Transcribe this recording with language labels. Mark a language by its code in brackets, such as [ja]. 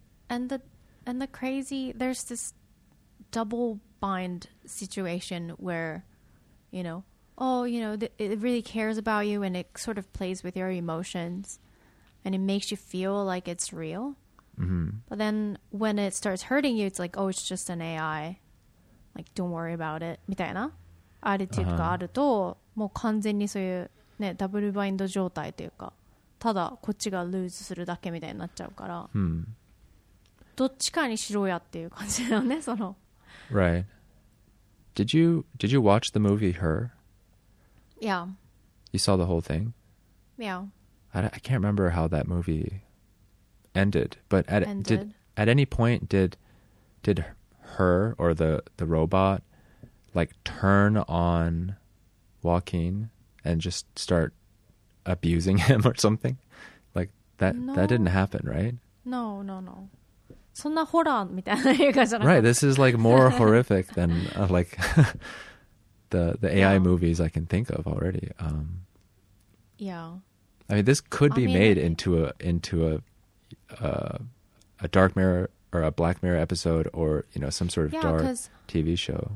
[en] And the crazy, there's this double bind situation where, you know, oh, you know, it really cares about you and it sort of plays with your emotions and it makes you feel like it's real. Mm-hmm. But then when it starts hurting you, it's like, oh, it's just an AI. Like, don't worry about it. [ja] みたいなアティチュードがあると、もう完全にそういう、ね、ダブルバインド状態というか、ただこっちがルーズするだけみたいになっちゃうから、 mm-hmm. どっちかにしろやっていう感じだよね、その。 [en] Right. Did you watch the movie Her? Yeah. You saw the whole thing? Yeah. I can't remember how that movie ended, but at any point did her or the robot like turn on Joaquin and just start abusing him or something? Like that didn't happen, right? No. [ja] そんなホラーみたいな映画じゃない。 [en] Right, this is like more horrific than like the AI yeah. movies I can think of already. Yeah. I mean, this could be made into a Dark Mirror or a Black Mirror episode or, you know, some sort of dark TV show.